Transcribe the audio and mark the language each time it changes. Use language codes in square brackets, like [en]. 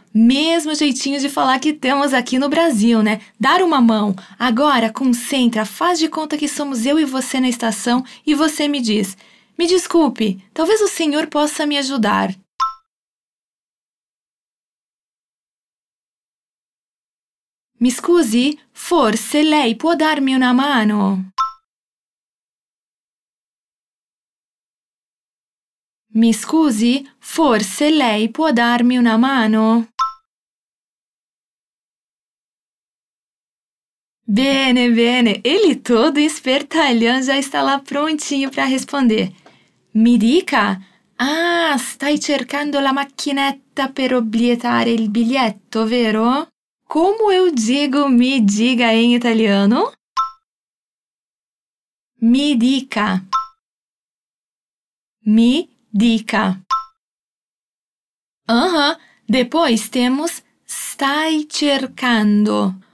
[pt] Mesmo jeitinho de falar que temos aqui no Brasil, né? Dar uma mão. Agora, concentra, faz de conta que somos eu e você na estação e você me diz. Me desculpe, talvez o senhor possa me ajudar. [it] Mi scusi, forse lei può darmi una mano? Mi scusi, forse lei può darmi una mano? Bene, bene, [pt] ele todo espertalhão já está lá prontinho para responder. [it] Mi dica? Ah, stai cercando la macchinetta per obliettare il biglietto, vero? [pt] Como eu digo [it] mi diga [pt] em italiano? [it] Mi dica. Mi dica. [pt] Depois temos [it] stai cercando.